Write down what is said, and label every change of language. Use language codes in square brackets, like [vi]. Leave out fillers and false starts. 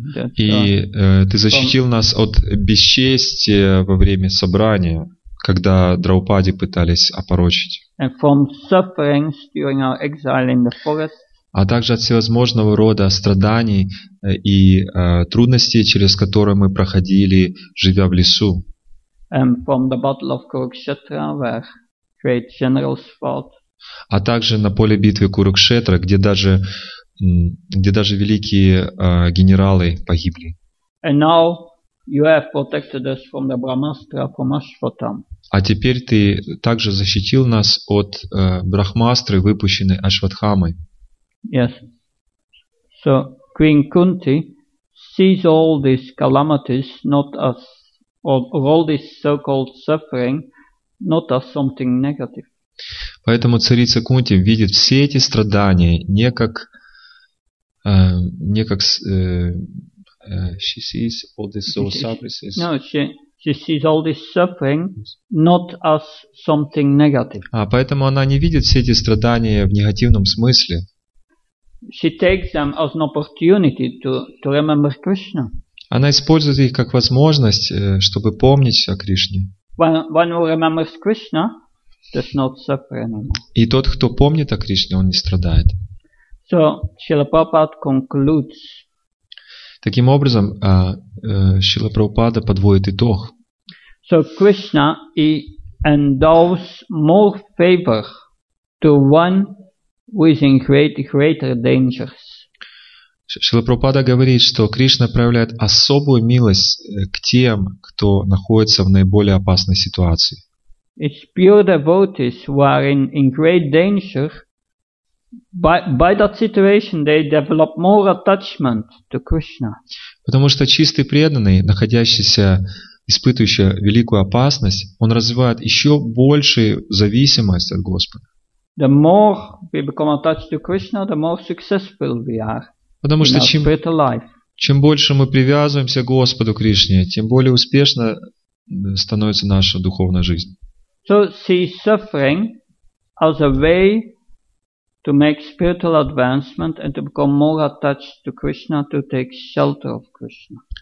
[ru] Ты защитил нас от бесчестия во время собрания, когда Драупади пытались опорочить. [en] And from sufferings during our exile in the forest. [ru] А также от всевозможного рода страданий и трудностей, через которые мы проходили, живя в лесу. [en] And from the battle of Kurukshetra, where great generals fought. [ru] А также на поле битвы Курукшетра, где даже великие генералы погибли. [en] And now you have protected us from the Brahmastra, from Ashvatam. [ru] А теперь ты также защитил нас от Брахмастры, выпущенной Ашватхамой. [en] Yes. So Queen Kunti sees all these calamities not as all this so-called suffering not as something negative. [ru] Поэтому царица Кунти видит все эти страдания не как [en] she sees all these sufferings. No, she sees all this suffering not as something negative. [ru] А поэтому она не видит все эти страдания в негативном смысле. [en] She takes them as an opportunity to remember Krishna. [ru] Она использует их как возможность, чтобы помнить о Кришне. [en] When one remembers Krishna, does not suffer anymore. [ru] И тот, кто помнит о Кришне, он не страдает. [en] So, Srila Prabhupada concludes. [ru] Таким образом, Srila Prabhupada подводит итог. [en] So, Krishna he endows more favor to one who is in greater dangers. [ru] Шрила Прабхупада говорит, что Кришна проявляет особую милость к тем, кто находится в наиболее опасной ситуации. [en] It's pure devotees who are in great danger. By that situation, they develop more attachment to Krishna. [ru] Потому что чистый преданный, находящийся, испытывающий великую опасность, он развивает еще большую зависимость от Господа. [en] The more we become attached to Krishna, the more successful we are. [ru] Потому что чем больше мы привязываемся к Господу Кришне, тем более успешно становится наша духовная жизнь. [en] So see suffering as a way to make spiritual advancement and to become more attached to Krishna, to take shelter of Krishna.